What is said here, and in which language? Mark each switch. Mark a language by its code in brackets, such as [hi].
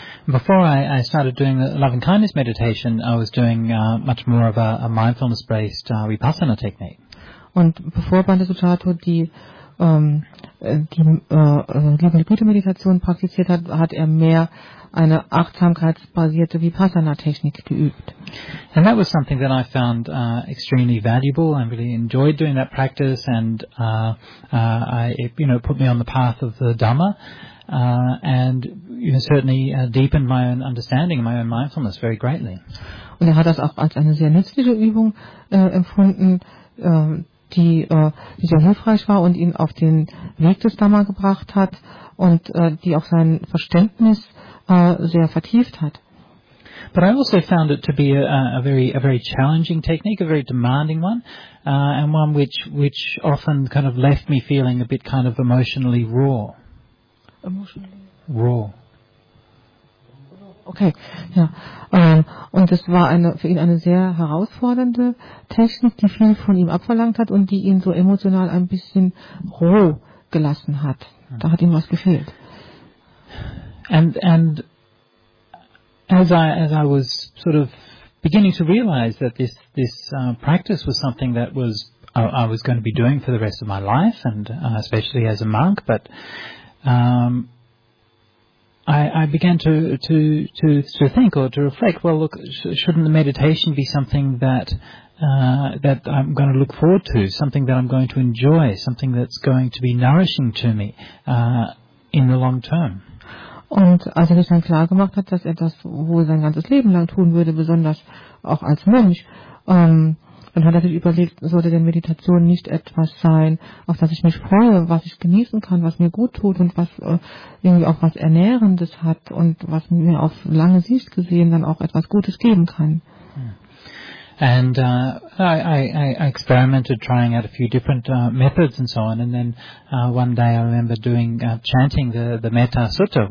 [en] Before I started doing the loving kindness meditation, I was doing much more of a mindfulness based vipassana technique. [de] Und bevor Bante Suchato die liebende Güte Meditation praktiziert hat, hat er mehr eine achtsamkeitsbasierte vipassana Technik geübt. [en] And that was something that I found extremely valuable. I really enjoyed doing that practice, and it put me on the path of the Dhamma. And certainly deepened my own understanding, my own mindfulness very greatly. [de] Und hat das auch als eine sehr nützliche Übung empfunden, die sehr hilfreich war und ihn auf den Weg des Dhamma gebracht hat und die auch sein Verständnis sehr vertieft hat. [en] But I also found it to be a very challenging technique, a very demanding one, and one which often kind of left me feeling a bit kind of emotionally raw. Emotionally. Raw. [de] Okay, ja. Und es war für ihn eine sehr herausfordernde Technik, die viel von ihm abverlangt hat und die ihn so emotional ein bisschen roh gelassen hat. Da hat ihm was gefehlt. [en] And as I was sort of beginning to realize that this practice was something that was I was going to be doing for the rest of my life and especially as a monk, but I began to think or to reflect, well, look, shouldn't the meditation be something that I'm going to look forward to, something that I'm going to enjoy, something that's going to be nourishing to me in the long term? [de] Und als er sich dann klar gemacht hat, dass er das wohl sein ganzes Leben lang tun würde, besonders auch als Mönch, Dann hat er sich überlegt, sollte denn Meditation nicht etwas sein, auf das ich mich freue, was ich genießen kann, was mir gut tut und was irgendwie auch was Ernährendes hat und was mir auf lange Sicht gesehen dann auch etwas Gutes geben kann. [en] And I experimented trying out a few different methods and so on, and then one day I remember doing chanting the Metta Sutta.